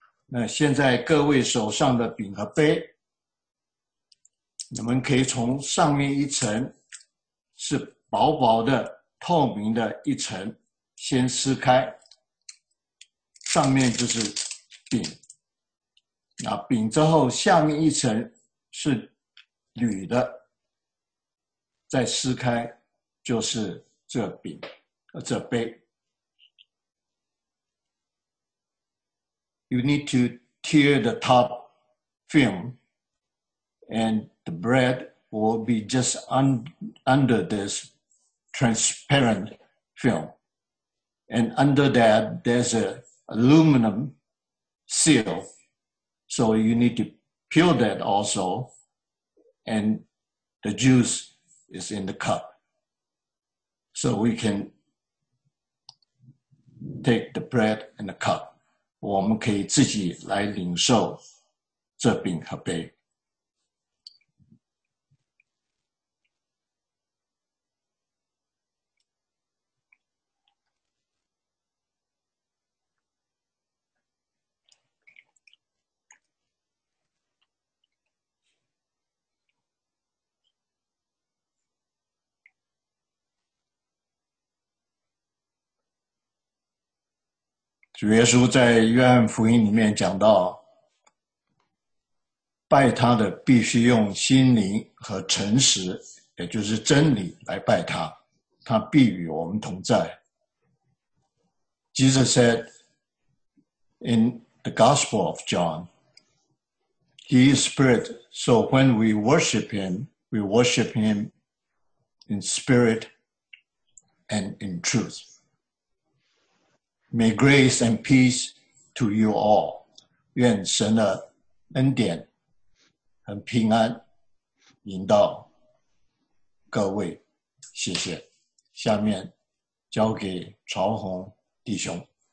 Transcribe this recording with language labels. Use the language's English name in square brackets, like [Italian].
[Chinese] 那现在各位手上的饼和杯，你们可以从上面一层是薄薄的透明的一层先撕开，上面就是饼，那饼之后下面一层是铝的，再撕开就是这饼，这杯。 [English] You need to tear the top film, and the bread will be just under this transparent film. And under that, there's an aluminum seal. So you need to peel that also, and the juice is in the cup. So we can take the bread and the cup. [Chinese] 我们可以自己来领受这饼和杯。主耶稣在约翰福音里面讲到，拜他的必须用心灵和诚实，也就是真理来拜他，他必与我们同在。 [English] Jesus said in the Gospel of John, He is spirit, so when we worship Him, we worship Him in spirit and in truth. May grace and peace to you all. [Chinese] 愿神的恩典和平安引导各位。谢谢。下面交给曹宏弟兄。